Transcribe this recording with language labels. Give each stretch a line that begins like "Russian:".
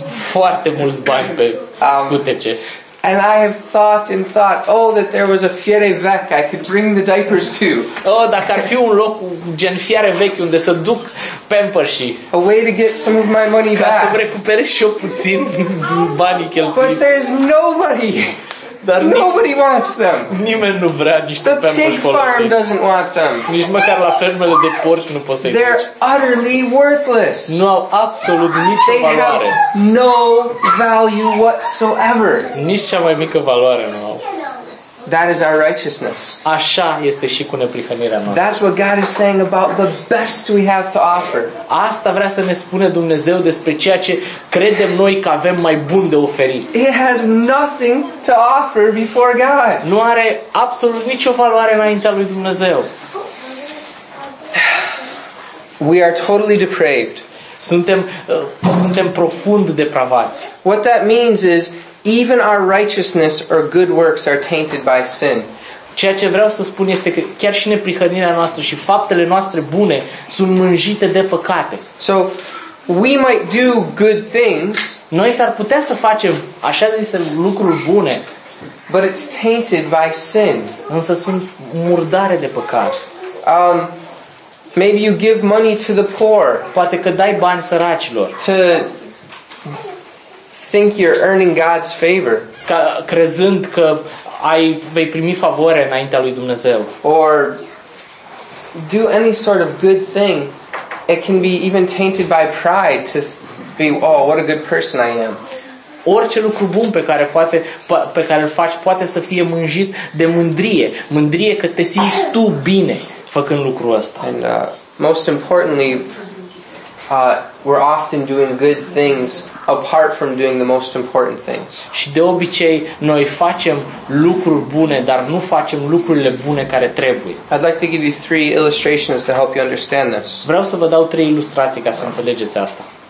Romanian: Foarte mulți bani pe scutece.
English: And I have thought, oh, that there was a fiere veche I could bring the diapers to.
Romanian: Oh, dacă ar fi un loc gen fiere veche unde să duc Pampers-i.
English: A way to get some of my money back.
Romanian: Ca să recuperez și eu puțin banii cheltuiți.
English: But there's nobody.
Romanian: Dar
English: nobody wants them.
Romanian: Nimeni nu vrea niște Pampers folosiți.
English: The pig farm doesn't want them.
Romanian: Nici măcar la fermele de porci nu poți să-i duci.
English: They're utterly worthless.
Romanian: Nu au absolut nicio valoare.
English: They have no value whatsoever.
Romanian: Nici cea mai mică valoare nu au.
English: That is our righteousness.
Romanian: Așa este și cu neprihănirea noastră.
English: That's what God is saying about the best we have to offer.
Romanian: Asta vrea să ne spune Dumnezeu despre ceea ce credem noi că avem mai bun de oferit.
English: It has nothing to offer before God.
Romanian: Nu are absolut nicio valoare înaintea lui Dumnezeu.
English: We are totally depraved.
Romanian: Suntem profund depravați.
English: What that means is even our righteousness or good works are tainted by sin.
Romanian: Ceea ce vreau să spun este că chiar și neprihănirea noastră și faptele noastre bune sunt mânjite de păcate.
English: So we might do good things.
Romanian: Noi s-ar putea să facem așa zise lucruri bune.
English: But it's tainted by sin.
Romanian: Însă sunt murdare de păcat.
English: Maybe you give money to the poor.
Romanian: Poate că dai bani săracilor.
English: Think you're earning God's favor.
Romanian: Crezând că ai vei primi favoare înaintea lui Dumnezeu.
English: Or do any sort of good thing, it can be even tainted by pride to be, oh, what a good person I am.
Romanian: Orice lucru bun pe care îl faci poate să fie mânjit de mândrie, mândrie că te simți tu bine făcând lucrul ăsta.
English: And most importantly, we're often doing good things apart from doing the most important things.
Romanian: Și de obicei noi facem lucruri bune, dar nu facem lucrurile bune care trebuie.
English: I'd like to give you 3 illustrations to help you understand this.
Romanian: Vreau să vă dau 3 ilustrații ca să înțelegeți asta.